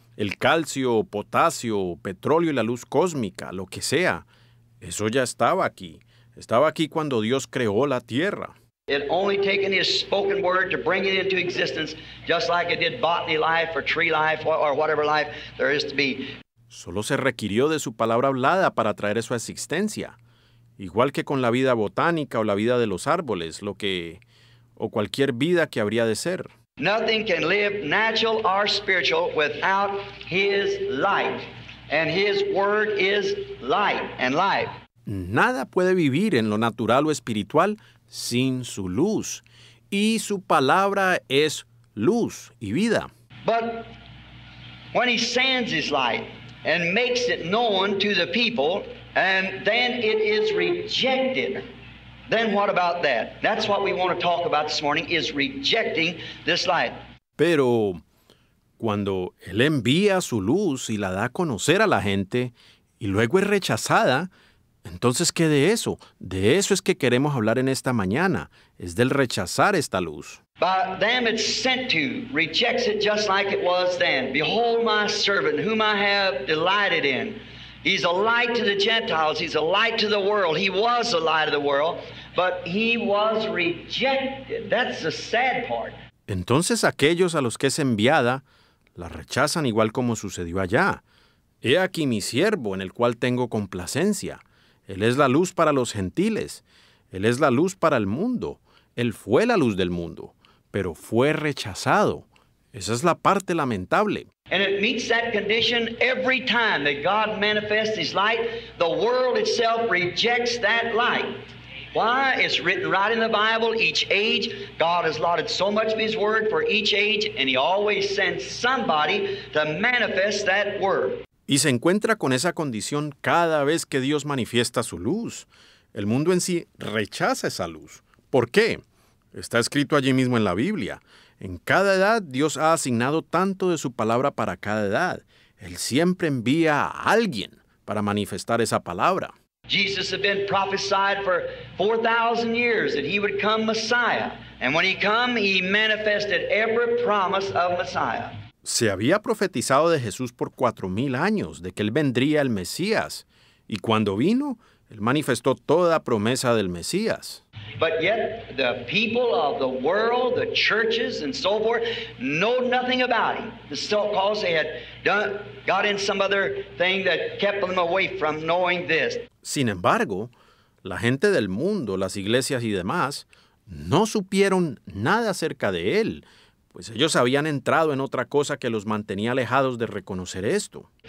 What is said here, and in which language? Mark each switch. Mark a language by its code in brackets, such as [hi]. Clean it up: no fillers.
[es] El calcio, potasio, petróleo y la luz cósmica, lo que sea, eso ya estaba aquí. Estaba aquí cuando Dios creó la tierra. [en] It only taken His spoken word to bring it into existence, just like it did botany life or tree life or whatever life there is to be. [es] Solo se requirió de su palabra hablada para traer eso a existencia. Igual que con la vida botánica o la vida de los árboles, o cualquier vida que habría de ser. [en] Nothing can live natural or spiritual without His light. And His word is light and life. [es] Nada puede vivir en lo natural o espiritual sin su luz. Y su palabra es luz y vida. [en] But when He sends His light and makes it known to the people, and then it is rejected. Then what about that? That's what we want to talk about this morning, is rejecting this light. [es] Pero cuando Él envía su luz y la da a conocer a la gente, y luego es rechazada, entonces, ¿qué de eso? De eso es que queremos hablar en esta mañana, es del rechazar esta luz. [en] by them it's sent to rejects it just like it was then. Behold my servant whom I have delighted in. He's a light to the Gentiles. He's a light to the world. He was a light of the world, but he was rejected. That's the sad part. [es] Entonces aquellos a los que es enviada la rechazan igual como sucedió allá. He aquí mi siervo en el cual tengo complacencia. Él es la luz para los gentiles. Él es la luz para el mundo. Él fue la luz del mundo, pero fue rechazado. Esa es la parte lamentable. [en] And it meets that condition every time that God manifests his light, the world itself rejects that light. Why? It's written right in the Bible, each age. God has allotted so much of his word for each age, and he always sends somebody to manifest that word. [es] Y se encuentra con esa condición cada vez que Dios manifiesta su luz. El mundo en sí rechaza esa luz. ¿Por qué? Está escrito allí mismo en la Biblia. En cada edad, Dios ha asignado tanto de su palabra para cada edad. Él siempre envía a alguien para manifestar esa palabra. [en] Jesus had been prophesied for 4,000 years that he would come Messiah. And when he came, he manifested every promise of Messiah. [es] Se había profetizado de Jesús por 4,000 años, de que él vendría el Mesías. Y cuando vino, él manifestó toda promesa del Mesías. [en] But yet the people of the world, the churches and so forth, know nothing about him. It's because they had done, got in some other thing that kept them away from knowing this. [es] Sin embargo, la gente del mundo, las iglesias y demás, no supieron nada acerca de él, pues ellos habían entrado en otra cosa que los mantenía alejados de reconocer esto.